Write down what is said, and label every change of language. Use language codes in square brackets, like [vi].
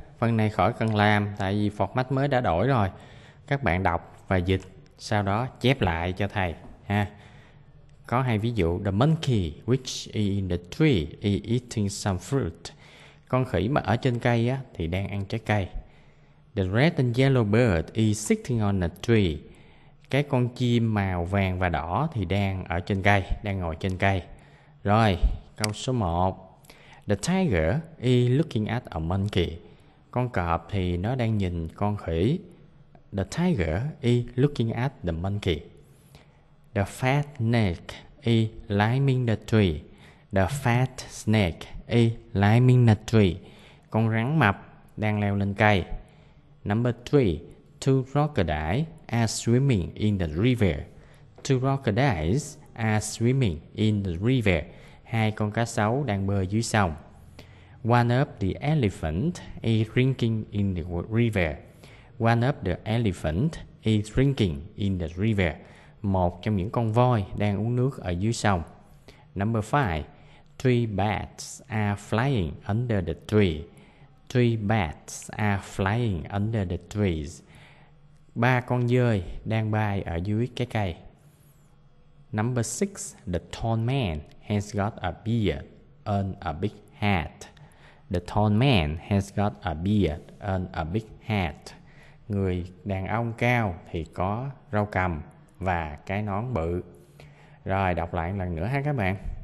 [vi] Phần này khỏi cần làm tại vì format mới đã đổi rồi. Các bạn đọc và dịch, sau đó chép lại cho thầy ha. Có hai ví dụ: [en] The monkey which is in the tree is eating some fruit. [vi] Con khỉ mà ở trên cây á thì đang ăn trái cây. [en] The red and yellow bird is sitting on a tree. [vi] Cái con chim màu vàng và đỏ thì đang ở trên cây, đang ngồi trên cây. Rồi, câu số 1. [en] The tiger is looking at a monkey. [vi] Con cọp thì nó đang nhìn con khỉ. [en] The tiger is looking at the monkey. The fat snake is climbing the tree. The fat snake is climbing the tree. [vi] Con rắn mập đang leo lên cây. [en] Number 3. Two crocodiles are swimming in the river. Two crocodiles are swimming in the river. [vi] Hai con cá sấu đang bơi dưới sông. [en] One of the elephant is drinking in the river. One of the elephant is drinking in the river. [vi] Một trong những con voi đang uống nước ở dưới sông. [en] Number 5. Three bats are flying under the tree. Three bats are flying under the trees. [vi] Ba con dơi đang bay ở dưới cái cây. [en] Number 6. The tall man has got a beard and a big hat. The tall man has got a beard and a big hat. [vi] Người đàn ông cao thì có râu cằm và cái nón bự. Rồi đọc lại lần nữa ha các bạn.